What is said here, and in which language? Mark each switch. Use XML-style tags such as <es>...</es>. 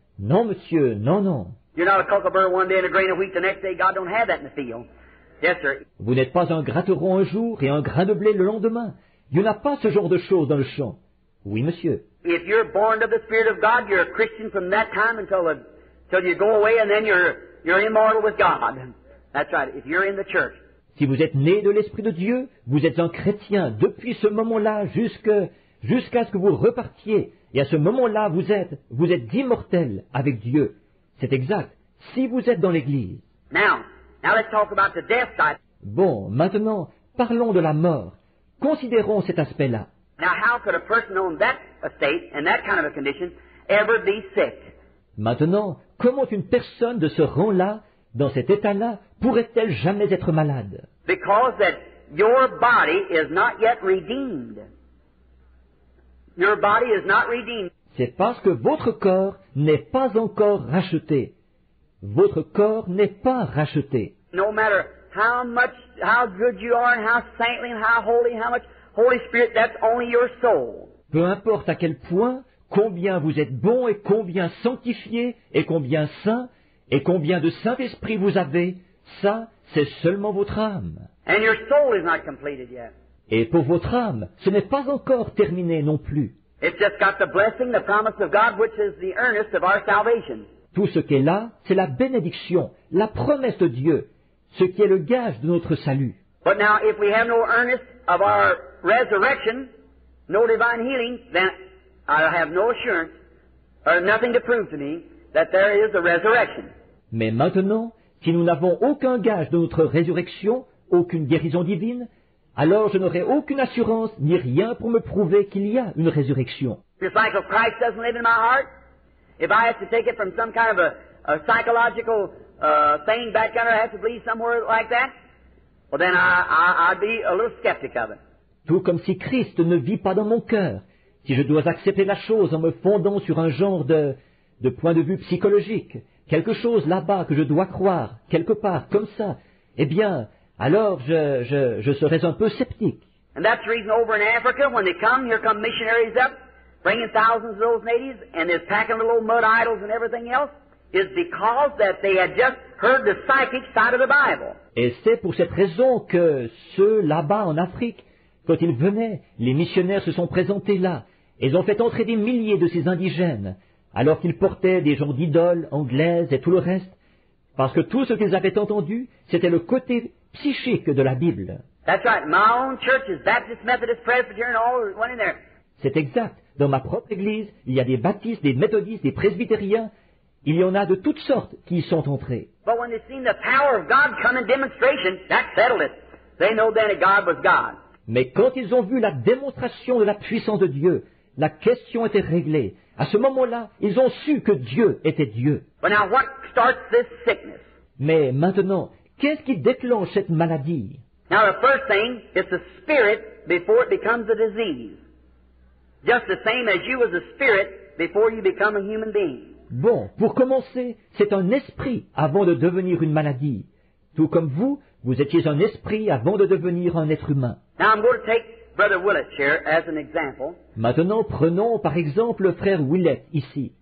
<fr>Non, monsieur, non.</fr> <en>You're not a cuckleburr one day and a grain of wheat the next day. God don't have that in the field. Yes, sir.</en> <fr>Vous n'êtes pas un gratteron un jour et un grain de blé le lendemain. Il n'y en a pas ce genre de choses dans le champ. Oui, monsieur.</fr> <en>If you're born of the Spirit of God, you're a Christian from that time until you go away and then you're immortal with God. That's right, if you're in the church.</en> <fr>Si vous êtes né de l'Esprit de Dieu, vous êtes un chrétien depuis ce moment-là jusqu'à ce que vous repartiez. Et à ce moment-là, vous êtes immortel avec Dieu. C'est exact. Si vous êtes dans l'Église.</fr> <en>Now, Now let's talk about the death side.</en> <fr>Bon, maintenant, parlons de la mort. Considérons cet aspect-là.</fr> <en>Now how could a person on that estate, in that kind of a condition, ever be sick?</en> <fr>Maintenant, comment une personne de ce rang-là, dans cet état-là, pourrait-elle jamais être malade?</fr> <en>Because that your body is not yet redeemed. Your body is not redeemed.</en> <fr>C'est parce que votre corps n'est pas encore racheté. Votre corps n'est pas racheté.</fr> <en>No matter how much, how good you are, and how saintly, and how holy, how much Holy Spirit, that's only your soul.</en> <fr>Peu importe à quel point, combien vous êtes bon et combien sanctifié et combien saint et combien de Saint-Esprit vous avez, ça, c'est seulement votre âme.</fr> <en>And your soul is not completed yet.</en> <fr>Et pour votre âme, ce n'est pas encore terminé non plus.</fr> <en>It's just got the blessing, the promise of God, which is the earnest of our salvation.</en> <fr>Tout ce qui est là, c'est la bénédiction, la promesse de Dieu, ce qui est le gage de notre salut.</fr> <en>But now, if we have no earnest of our resurrection, no divine healing, then I have no assurance or nothing to prove to me that there is a resurrection.</en> <fr>Mais maintenant, si nous n'avons aucun gage de notre résurrection, aucune guérison divine, alors je n'aurai aucune assurance ni rien pour me prouver qu'il y a une résurrection.</fr> <en>The cycle of Christ doesn't live in my heart. If I have to take it from some kind of a psychological thing back under, I have to believe somewhere like that, well then I'd be a little skeptic of it.</en> <fr>Tout comme si Christ ne vit pas dans mon cœur, si je dois accepter la chose en me fondant sur un genre de point de vue psychologique, quelque chose là-bas que je dois croire, quelque part, comme ça, eh bien, alors je serais un peu sceptique.</fr> <en>And that's the reason over in Africa, when they come, here come missionaries up, bringing thousands of those natives, and they're packing little mud idols and everything else, is because that they had just heard the psychic side of the Bible.</en> <fr>Et c'est pour cette raison que ceux là-bas en Afrique, quand ils venaient, les missionnaires se sont présentés là. Ils ont fait entrer des milliers de ces indigènes, alors qu'ils portaient des genres d'idoles anglaises et tout le reste, parce que tout ce qu'ils avaient entendu, c'était le côté psychique de la Bible.</fr> <en>That's right. My own church is Baptist, Methodist, Presbyterian, all one in there.</en> <fr>C'est exact. Dans ma propre église, il y a des baptistes, des méthodistes, des presbytériens. Il y en a de toutes sortes qui y sont entrés.</fr> <en>But when they've seen the power of God come in demonstration, that settled it. They know then that God was God.</en> <fr>Mais quand ils ont vu la démonstration de la puissance de Dieu, la question était réglée. À ce moment-là, ils ont su que Dieu était Dieu.</fr> <en>But now what starts this sickness?</en> <fr>Mais maintenant, qu'est-ce qui déclenche cette maladie?</fr> <en>Now the first thing is the spirit before it becomes a disease. Just the same as you as a spirit before you become a human being.</en> <fr>Bon, pour commencer, c'est un esprit avant de devenir une maladie. Tout comme vous, vous étiez un esprit avant de devenir un être humain.</fr> <en>Now I'm going to take Brother Willett here as an example.</en> <fr>Maintenant, prenons par exemple le frère Willett ici.</fr>